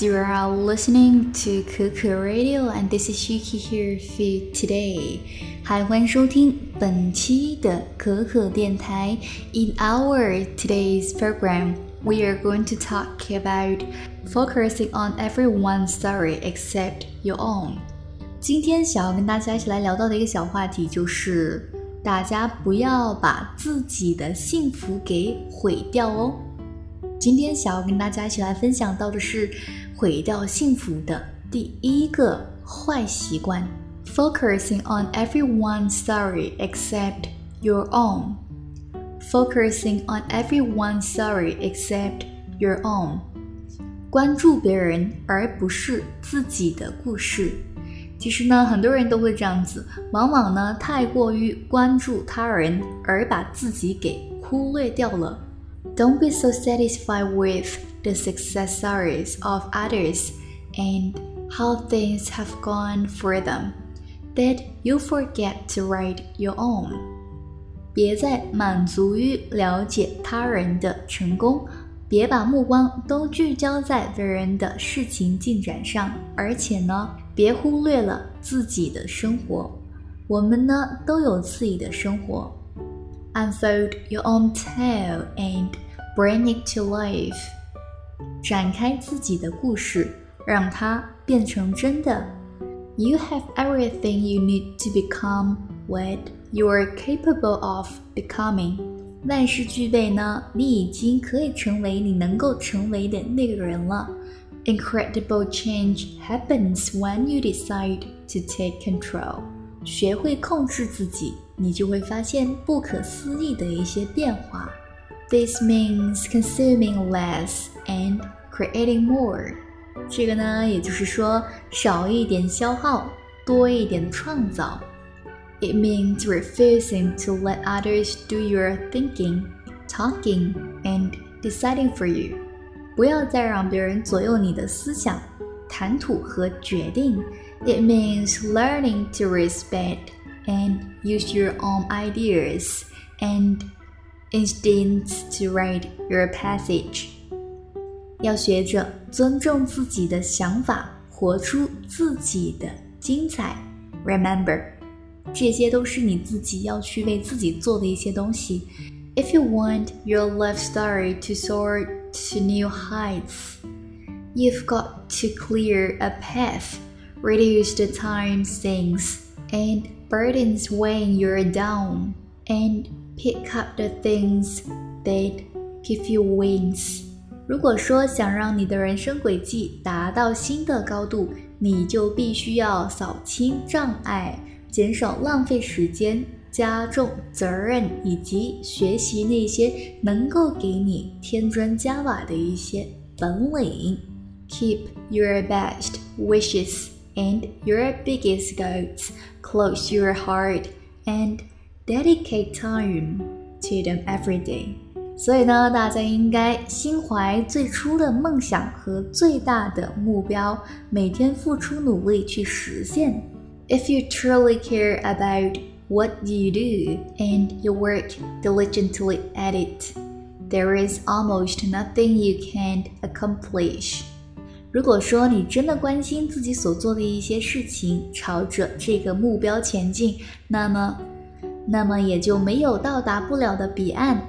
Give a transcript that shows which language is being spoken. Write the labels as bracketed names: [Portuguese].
[English] You are listening to Cuckoo Radio, and this is Yuki here for you today. [Chinese] Hi, 欢迎收听本期的可可电台。 [English] In our today's program, we are going to talk about focusing on everyone's story except your own. [Chinese] 今天想要跟大家一起来聊到的一个小话题就是大家不要把自己的幸福给毁掉哦。今天想要跟大家一起来分享到的是毁掉幸福的第一个坏习惯。 [English] Focusing on everyone's story except your own. Focusing on everyone's story except your own. [Chinese] 关注别人而不是自己的故事。其实呢，很多人都会这样子，往往呢太过于关注他人而把自己给忽略掉了。 [English] Don't be so satisfied with the success stories of others and how things have gone for them that you forget to write your own. [Chinese] 别再满足于了解他人的成功，别把目光都聚焦在别人的事情进展上，而且呢，别忽略了自己的生活。我们呢，都有自己的生活。 [English] Unfold your own tale and bring it to life. [Chinese] 展开自己的故事，让它变成真的。 [English] You have everything you need to become what you are capable of becoming. [Chinese] 万事俱备呢，你已经可以成为你能够成为的那个人了。 [English] Incredible change happens when you decide to take control. [Chinese] 学会控制自己。你就会发现不可思议的一些变化。 [English] This means consuming less and creating more. [Chinese] 这个呢，也就是说，少一点消耗，多一点创造。 [English] It means refusing to let others do your thinking, talking, and deciding for you. [Chinese] 不要再让别人左右你的思想、谈吐和决定。 [English] It means learning to respect. And use your own ideas and instincts to write your passage. [Chinese] 要学着尊重自己的想法，活出自己的精彩。 Remember, 这些都是你自己要去为自己做的一些东西。 [English] If you want your life story to soar to new heights, you've got to clear a path, reduce the time sinks, and. Burdens weighing you down and pick up the things that give you wings. [Chinese] 如果说想让你的人生轨迹达到新的高度，你就必须要扫清障碍，减少浪费时间，加重责任，以及学习那些能够给你添砖加瓦的一些本领。 [English] Keep your best wishesAnd your biggest goals, close your heart, and dedicate time to them every day. [Chinese] 所以呢，大家应该心怀最初的梦想和最大的目标，每天付出努力去实现。 [English] If you truly care about what you do and you work diligently at it, there is almost nothing you can't accomplish. [Chinese] 如果说你真的关心自己所做的一些事情，朝着这个目标前进，那么也就没有到达不了的彼岸。